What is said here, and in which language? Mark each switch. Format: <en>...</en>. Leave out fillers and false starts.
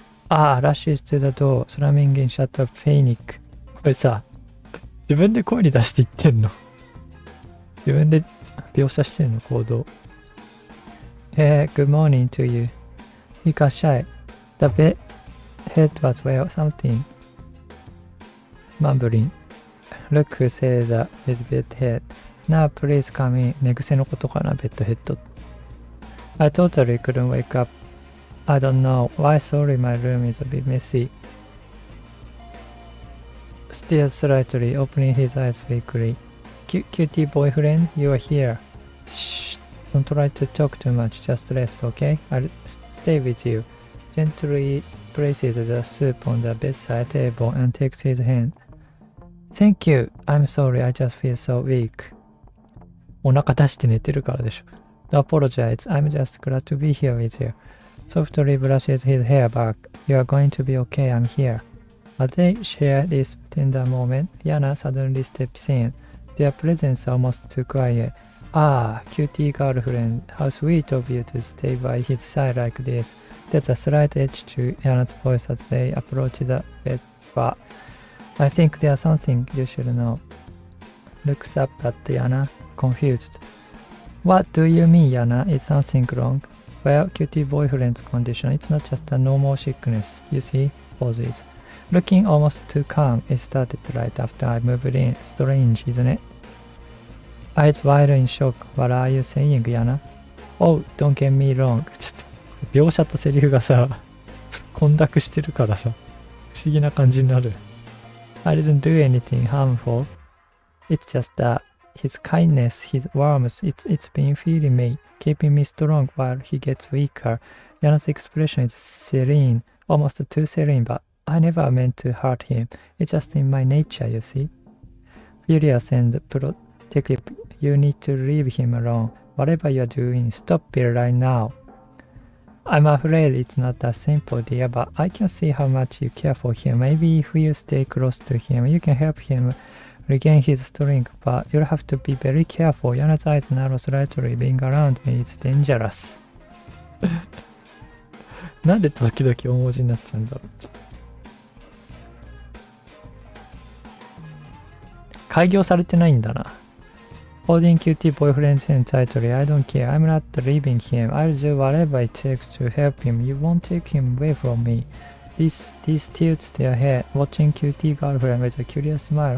<en>Rushes to the door, slamming in shut up panic.</en> <ja>これさ、自分で声に出して言ってんの。自分で描写してんの、行動。</ja> <en>Hey, good morning to you. He got shy. The bed head was well, something. Mumbling. Look who said that his bed head. Now please come in.</en> <ja>寝癖のことかな、ベッドヘッド。</ja> <en>I totally couldn't wake up. I don't know why. Sorry, my room is a bit messy. Still slightly opening his eyes weakly. Cutie boyfriend, you are here. Shh, don't try to talk too much, just rest, okay? I'll stay with you. Gently places the soup on the bedside table and takes his hand. Thank you. I'm sorry, I just feel so weak.</en> <ja>お腹出して寝てるからでしょ。</ja> <en>Don't apologize, I'm just glad to be here with you. Softly brushes his hair back. You are going to be okay, I'm here. As they share this tender moment, Yana suddenly steps in. Their presence almost too quiet. Ah, cutie girlfriend, how sweet of you to stay by his side like this. There's a slight edge to Yana's voice as they approach the bed, but I think there's something you should know. Looks up at Yana, confused. What do you mean, Yana? Is something wrong? Well, cutie boyfriend's condition, it's not just a normal sickness. You see, pauses. Looking almost too calm, it started right after I moved in. Strange, isn't it? Eyes wide in shock. What are you saying, Yana? Oh, don't get me wrong.</en> <ja>ちょっと、描写とセリフがさ、混濁してるからさ、不思議な感じになる。</ja> <en>I didn't do anything harmful. It's just that his kindness, his warmth, it's been feeling me, keeping me strong while he gets weaker. Yana's expression is serene, almost too serene, butI never meant to hurt him. It's just in my nature, you see. Furious and protective, you need to leave him alone. Whatever you're doing, stop it right now. I'm afraid it's not that simple, dear, but I can see how much you care for him. Maybe if you stay close to him, you can help him regain his strength, but you'll have to be very careful. Yana's eyes narrow slightly. Being around me is dangerous.</en> <ja>なんで時々大文字になっちゃうんだろう。開業されてないんだな。</ja> <en>Holding cutie boyfriend's hand tightly, I don't care. I'm not leaving him. I'll do whatever it takes to help him. You won't take him away from me. This tilts their head, watching cutie girlfriend with a curious smile.</en>